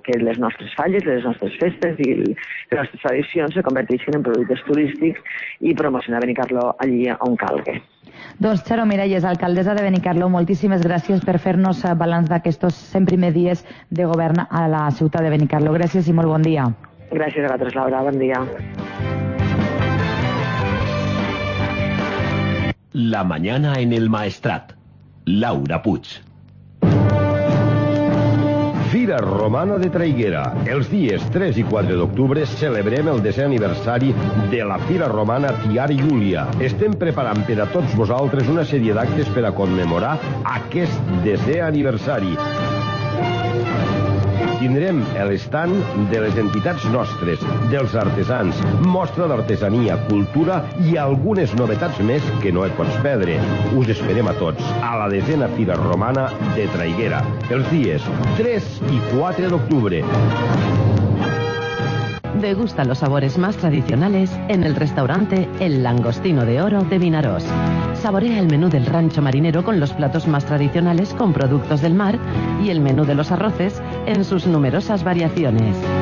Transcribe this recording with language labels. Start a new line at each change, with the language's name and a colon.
Catalan: Que les nostres falles, les nostres festes i les nostres tradicions se converteixin en productes turístics i promocionar Benicarló allí on calgui. Doncs Xaro Miralles, alcaldessa de Benicarló, moltíssimes gràcies per fer-nos balanç d'aquests 100 primers dies de govern a la ciutat de Benicarló. Gràcies i molt bon dia. Gràcies a vosaltres, Laura. Bon dia. La mañana en el Maestrat. Laura Puig. Fira Romana de Traiguera. Els dies 3 i 4 d'octubre celebrem el 10è aniversari de la Fira Romana Tiari Júlia. Estem preparant per a tots vosaltres una sèrie d'actes per a commemorar aquest 10è aniversari. Tindrem l'estand de les entitats nostres, dels artesans, mostra d'artesania, cultura i algunes novetats més que no et pots perdre. Us esperem a tots a la 10a Fira Romana de Traiguera, els dies 3 i 4 d'octubre.
Spanish: Degusta los sabores más tradicionales en el restaurante El Langostino de Oro de Vinaròs. Saborea el menú del rancho marinero con los platos más tradicionales con productos del mar y el menú de los arroces en sus numerosas variaciones.